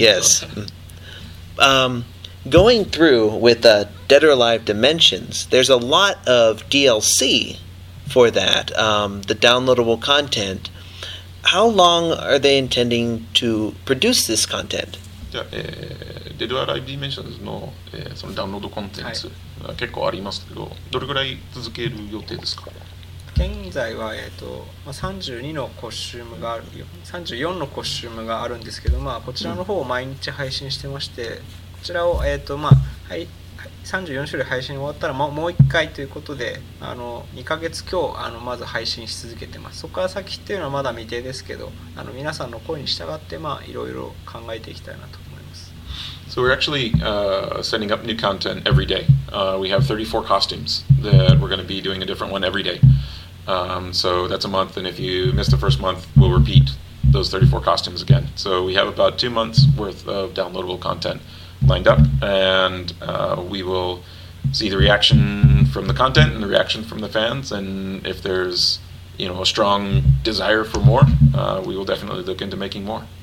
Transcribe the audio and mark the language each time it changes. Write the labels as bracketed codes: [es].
[en] Yes. Going through with Dead or Alive Dimensions, there's a lot of DLC for that, the downloadable content. How long are they intending to produce this content? [ja] デドアライブディメンションズの、そのダウンロードコンテンツ、はい、結構ありますけど、どれぐらい続ける予定ですか？現在は、32のコスチュームがある、34のコスチュームがあるんですけど、まあ、こちらの方を毎日配信してまして、うん、こちらを、まあ、はい、34種類配信終わったらもう1回ということで、あの2ヶ月今日あのまず配信し続けてます。そこから先っていうのはまだ未定ですけど、あの皆さんの声に従っていろいろ考えていきたいなと思います。 [en] So we're actually、setting up new content every day、we have 34 costumes that we're going to be doing a different one every day、so that's a month, and if you miss the first month we'll repeat those 34 costumes again. So we have about 2 months worth of downloadable contentlined up, and、we will see the reaction from the content and the reaction from the fans, and if there's, you know, a strong desire for more、we will definitely look into making more.